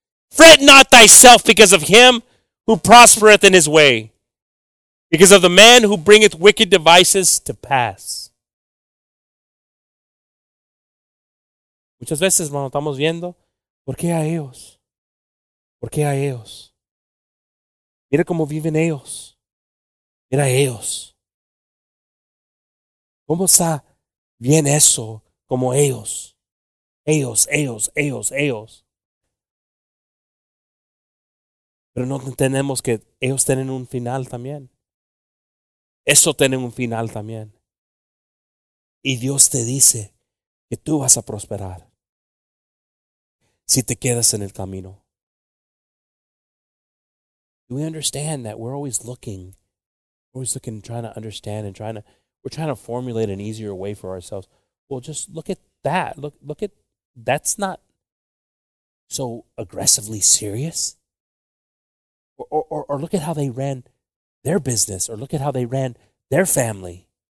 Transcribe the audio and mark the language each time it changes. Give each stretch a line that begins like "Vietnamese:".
English: Fret not thyself because of him who prospereth in his way, because of the man who bringeth wicked devices to pass.
Spanish: Muchas veces, hermano, estamos viendo, ¿por qué a ellos? ¿Por qué a ellos? Mira cómo viven ellos. Mira ellos. ¿Cómo está bien eso como ellos? Ellos, ellos, ellos, ellos. Pero no entendemos que ellos tienen un final también. Eso tiene un final también. Y Dios te dice que tú vas a prosperar si te quedas en el camino.
English: We understand that we're always looking. We're always looking and trying to understand and trying to formulate an easier way for ourselves. Well, just look at that. Look at that's not so aggressively serious. Or look at how they ran their business, or look at how they ran their family.